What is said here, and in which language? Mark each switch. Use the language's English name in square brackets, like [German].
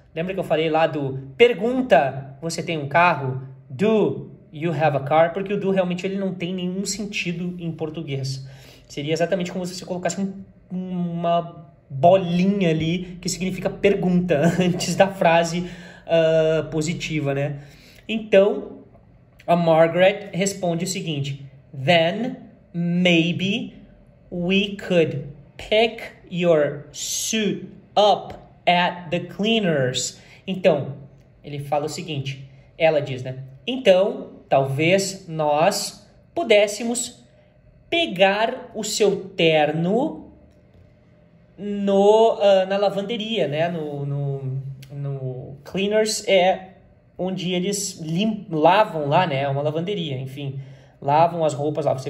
[Portuguese] Lembra que eu falei lá do pergunta, você tem um carro? [English] Do you have a car? [Portuguese] Porque o do realmente ele não tem nenhum sentido em português. Seria exatamente como se você colocasse uma bolinha ali que significa pergunta antes da frase positiva, né? Então, a Margaret responde o seguinte: [English] Then maybe we could pick your suit up at the cleaners. [Portuguese] Então, ele fala o seguinte, ela diz, né? Então, talvez nós pudéssemos pegar o seu terno na lavanderia, né? No cleaners é onde eles lavam lá, né? É uma lavanderia, enfim, lavam as roupas lá.